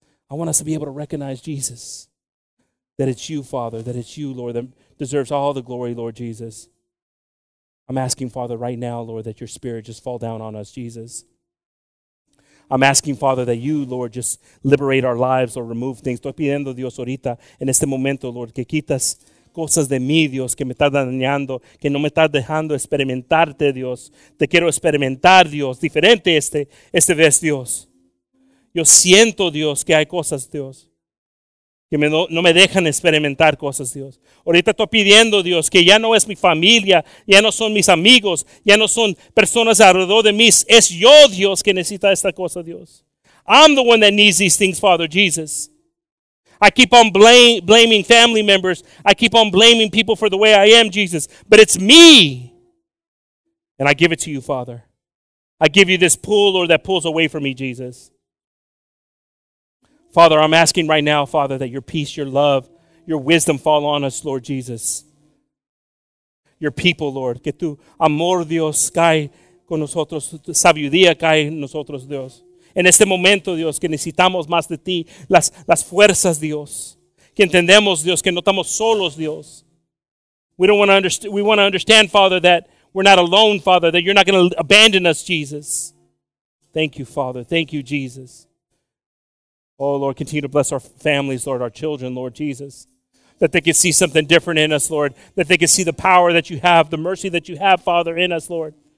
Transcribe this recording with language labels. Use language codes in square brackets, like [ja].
[en] I want us to be able to recognize Jesus. That it's you, Father. That it's you, Lord, that deserves all the glory, Lord Jesus. I'm asking, Father, right now, Lord, that your Spirit just fall down on us, Jesus. I'm asking, Father, that you, Lord, just liberate our lives or remove things. [es] Estoy pidiendo, Dios, ahorita, en este momento, Lord, que quitas cosas de mí, Dios, que me está dañando, que no me está dejando experimentarte, Dios. Te quiero experimentar, Dios, diferente este vez, Dios. Yo siento, Dios, que hay cosas, Dios, que no me dejan experimentar cosas, Dios. Ahorita estoy pidiendo, Dios, que ya no es mi familia, ya no son mis amigos, ya no son personas alrededor de mí. Es yo, Dios, que necesita esta cosa, Dios. [en] I'm the one that needs these things, Father Jesus. I keep on blaming family members. I keep on blaming people for the way I am, Jesus. But it's me. And I give it to you, Father. I give you this pull, Lord, that pulls away from me, Jesus. Father, I'm asking right now, Father, that your peace, your love, your wisdom fall on us, Lord Jesus. Your people, Lord. [es] Que tu amor, Dios, cae con nosotros. Tu sabiduría cae en nosotros, Dios. En este momento, Dios, que necesitamos más de ti, las fuerzas, Dios. Que entendemos, Dios, que no estamos solos, Dios. [en] We want to understand, Father, that we're not alone, Father, that you're not going to abandon us, Jesus. Thank you, Father. Thank you, Jesus. Oh, Lord, continue to bless our families, Lord, our children, Lord Jesus. That they can see something different in us, Lord. That they can see the power that you have, the mercy that you have, Father, in us, Lord.